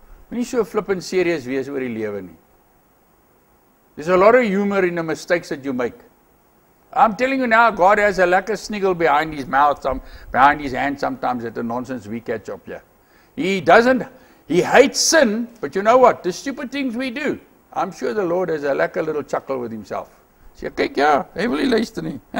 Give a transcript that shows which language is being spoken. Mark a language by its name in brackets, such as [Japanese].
[Afrikaans] Moenie so flippant serious wees oor die lewe nie. [English] There's a lot of humor in the mistakes that you make. I'm telling you now, God has a lekker sniggle behind his mouth, behind his hand sometimes at the nonsense we catch up here. He hates sin, but you know what? The stupid things we do. I'm sure the Lord has a lekker little chuckle with himself. [Afrikaans] Sê, kyk ja, hy wil nie luister nie.